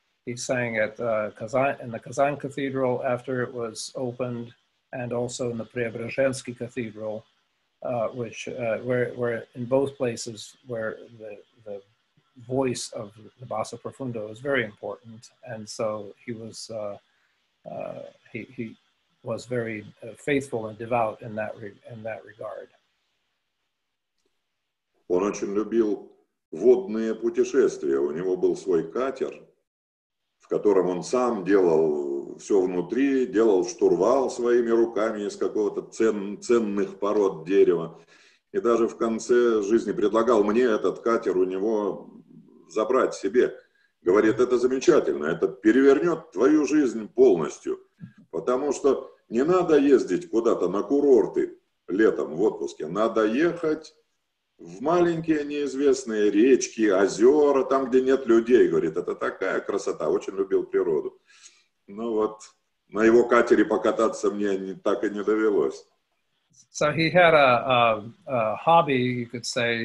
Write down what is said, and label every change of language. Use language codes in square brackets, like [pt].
[en] He sang at Kazan Cathedral after it was opened, and also in the Preobrazhensky Cathedral, which where in both places where the voice of the basso profundo is very important. And so he was very faithful and devout in that regard. [ru] Он очень любил водные путешествия. У него был свой катер, в котором он сам делал все внутри, делал штурвал своими руками из какого-то ценных пород дерева. И даже в конце жизни предлагал мне этот катер у него забрать себе. Говорит, это замечательно, это перевернет твою жизнь полностью. Потому что не надо ездить куда-то на курорты летом в отпуске. Надо ехать в маленькие неизвестные речки, озера, там, где нет людей. Говорит, это такая красота, очень любил природу. Ну вот, на его катере покататься мне так и не довелось. [en] So he had a hobby, you could say.